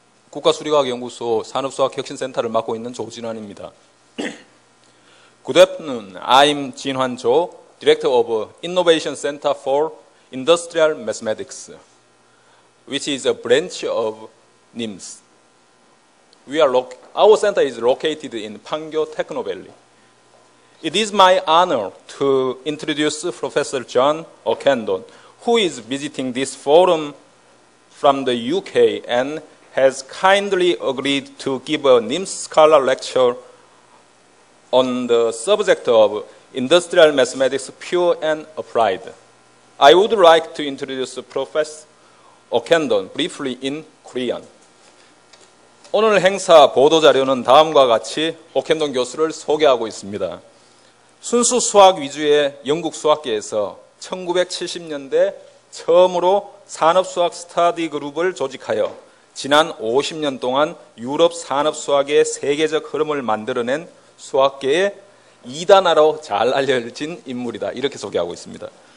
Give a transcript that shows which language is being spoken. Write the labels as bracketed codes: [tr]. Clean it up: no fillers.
[ko] 국가수리과학연구소 산업수학혁신센터를 맡고 있는 조진환입니다. [en] Good afternoon. I'm 진환 조, Director of Innovation Center for Industrial Mathematics, which is a branch of NIMS. Our center is located in Pangyo Techno Valley. It is my honor to introduce Professor John Ockendon, who is visiting this forum from the UK and has kindly agreed to give a NIMS Scholar lecture on the subject of industrial mathematics pure and applied. I would like to introduce Professor Ockendon briefly in Korean. [ko] 오늘 행사 보도 자료는 다음과 같이 오켄돈 교수를 소개하고 있습니다. 순수 수학 위주의 영국 수학계에서 1970년대 처음으로 산업수학 스터디 그룹을 조직하여 지난 50년 동안 유럽 산업수학의 세계적 흐름을 만들어낸 수학계의 이단아로 잘 알려진 인물이다. 이렇게 소개하고 있습니다.